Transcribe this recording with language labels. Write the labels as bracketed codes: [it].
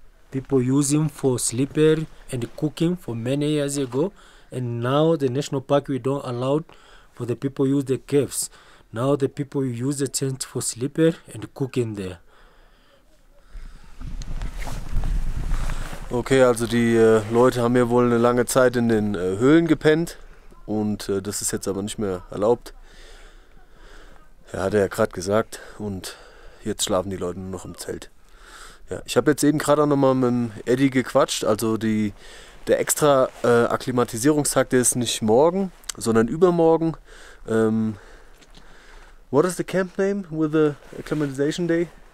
[en] People use them for sleeping and cooking for many years ago. And now the national park, we don't allow for the people use the caves. Now the people use the tent for sleeping and cooking there. [de] Okay, also die Leute haben ja wohl eine lange Zeit in den Höhlen gepennt und das ist jetzt aber nicht mehr erlaubt. Ja, hat er ja gerade gesagt. Und jetzt schlafen die Leute nur noch im Zelt. Ja, ich habe jetzt eben gerade auch nochmal mit Eddie gequatscht. Also der extra Akklimatisierungstag, der ist nicht morgen, sondern übermorgen. [en] What is the camp name with the acclimatization day?